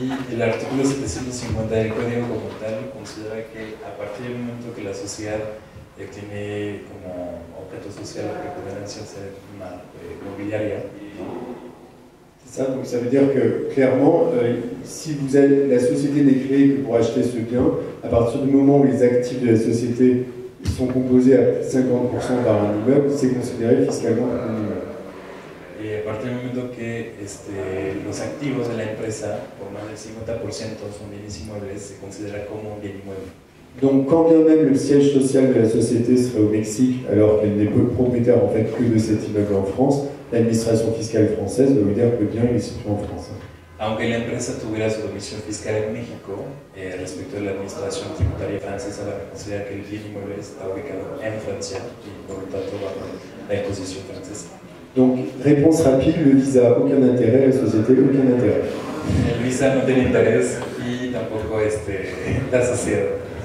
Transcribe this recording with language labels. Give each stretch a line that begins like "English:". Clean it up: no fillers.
Spanish: Y el artículo 750 del Código como tal considera que a partir del momento que la sociedad tiene como objeto social la preponderancia de ser una mobiliaria,
French: ça, donc ça veut dire que clairement, si vous êtes, la société n'est créée que pour acheter ce bien, à partir du moment où les actifs de la société sont composés à 50% par un immeuble, c'est considéré fiscalement un immeuble. Et à partir du moment où les actifs de l'entreprise, pour moins de 50%, sont bien immeubles, c'est considéré comme un bien immeuble. Donc quand bien même le siège social de la société serait au Mexique, alors qu'elle n'est pas propriétaire en fait que de cet immeuble en France, l'administration fiscale française va vous dire que bien il est situé en France.
Spanish: Aunque la empresa tuviera su domicilio fiscal en México, respecto de la administración tributaria francesa, la que considera que el bien inmueble está ubicado en Francia y por lo tanto bajo la imposición francesa.
French: Donc, réponse rapide, le visa a aucun intérêt, la société a aucun intérêt.
Spanish: El visa no tiene interés y tampoco la sociedad.